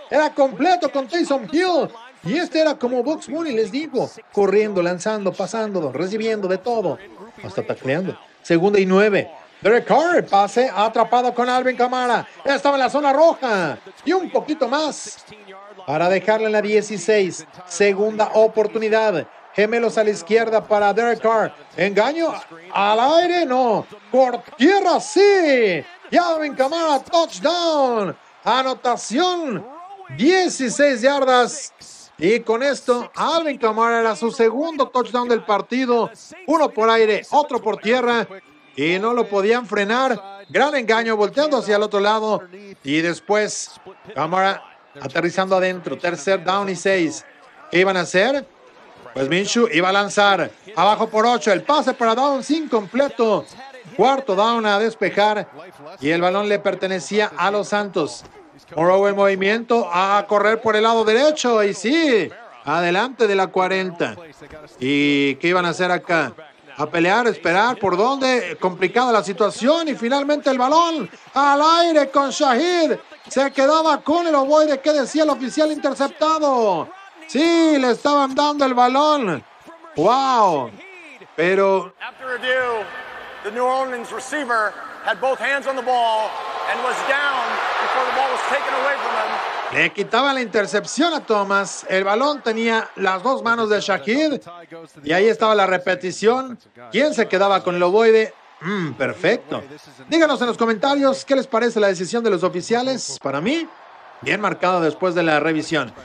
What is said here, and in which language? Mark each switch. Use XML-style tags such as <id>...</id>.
<es>Era completo con Taysom Hill. Y este era como Bugs Bunny, les digo, corriendo, lanzando, pasando, recibiendo de todo, hasta tacleando. Segunda y 9. Derek Carr, pase atrapado con Alvin Kamara. Ya estaba en la zona roja. Y un poquito más para dejarle en la 16. Segunda oportunidad. Gemelos a la izquierda para Derek Carr. Engaño al aire, no. Por tierra, sí. Y Alvin Kamara, touchdown. Anotación, 16 yardas. Y con esto, Alvin Kamara era su segundo touchdown del partido. Uno por aire, otro por tierra. y no lo podían frenar. Gran engaño, volteando hacia el otro lado. Y después, Camara aterrizando adentro. Tercer down y 6. ¿Qué iban a hacer? Pues Minshew iba a lanzar. Abajo por 8. El pase para Downs incompleto. Cuarto down a despejar. Y el balón le pertenecía a los Santos. Morrow en movimiento. A correr por el lado derecho. Y sí, adelante de la 40. ¿Y qué iban a hacer acá? A pelear, esperar, ¿por dónde? Complicada la situación y finalmente el balón al aire con Shahid. Se quedaba con el ovoide. ¿Qué decía el oficial? Interceptado. Sí, le estaban dando el balón. ¡Wow!</es> <en>Pero after review, the New Orleans receiver had both hands on the ball and was down before the ball was taken away from him.</en> <es>Le quitaba la intercepción a Thomas. El balón tenía las dos manos de Shahid. Y ahí estaba la repetición. ¿Quién se quedaba con el ovoide? Perfecto. Díganos en los comentarios qué les parece la decisión de los oficiales. Para mí, bien marcado después de la revisión.</es>